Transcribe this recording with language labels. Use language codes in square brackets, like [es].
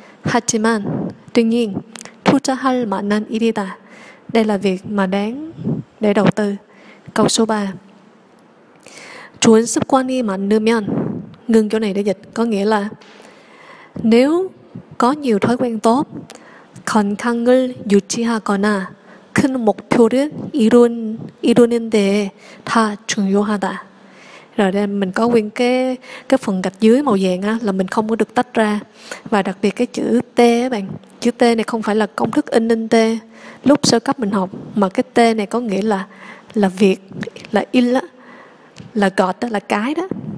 [ko] 하지만 [vi] tuy nhiên [ko] 투자할 만한 일이다, [vi] đây là việc mà đáng để đầu tư. Câu số 3. [ko] 좋은 습관이 많으면, [vi] ngừng chỗ này để dịch, có nghĩa là nếu có nhiều thói quen tốt, [ko] 건강을 유지하거나 큰 목표를 이루는 데 다 중요하다. [vi] Rồi đây mình có nguyên cái phần gạch dưới màu vàng á, là mình không có được tách ra. Và đặc biệt cái chữ T á bạn, chữ T này không phải là công thức in in T lúc sơ cấp mình học, mà cái T này có nghĩa là việc, là in á, là gọt á, là cái đó.